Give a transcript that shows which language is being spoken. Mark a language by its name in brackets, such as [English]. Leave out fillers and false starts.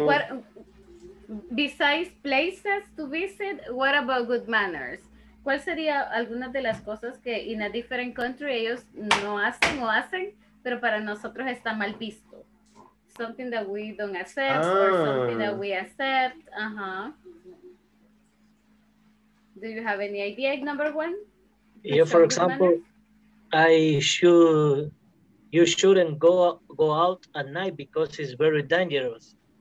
[English] What, besides places to visit, what about good manners? [Spanish] ¿Cuál sería alguna de las cosas que [English] in a different country [Spanish] ellos no hacen o hacen, pero para nosotros está mal visto? [English] Something that we don't accept, or something that we accept. Uh-huh. Do you have any idea, number one? Yeah, for example, you shouldn't go out at night because it's very dangerous.